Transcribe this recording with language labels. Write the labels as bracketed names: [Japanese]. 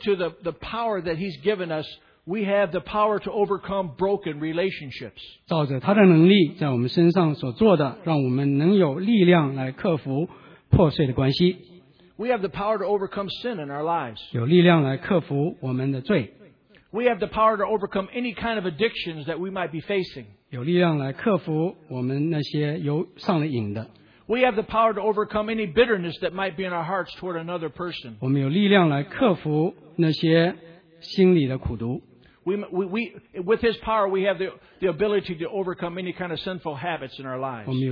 [English] to the power that He's given us, we have the power to overcome broken relationships. [Chinese] 照着他的能力，在我们身上所做的，让我们能有力量来克服破碎的关系。 [English] We have the power to overcome sin in our lives. [Chinese] 有力量来克服我们的罪。 [English] We have the power to overcome any kind of addictions that we might be facing. [Chinese] 有力量来克服我们那些有上瘾的。 [English] We have the power to overcome any bitterness that might be in our hearts toward another person. [Chinese] 我们有力量来克服那些心里的苦毒。 [English] With His power, we have the ability to overcome any kind of sinful habits in our lives.